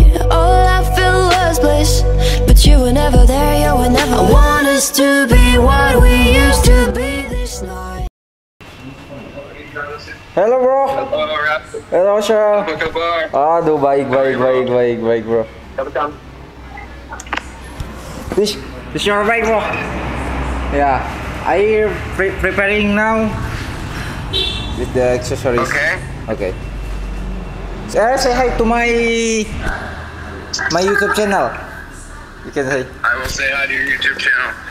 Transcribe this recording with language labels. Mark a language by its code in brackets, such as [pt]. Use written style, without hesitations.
[en] All I feel was bliss, but you were never there, you were never there. I want us to be what we used to be this night. Hello, bro. Hello, Rap. Hello, Cheryl. [id] Apa kabar? Aduh, baik, baik, baik, baik, baik, bro. Selamat datang. [en] This your right, bro. Yeah. I preparing now with the accessories. Okay. Okay. Say hi to my YouTube channel. You can say. I will say hi to your YouTube channel.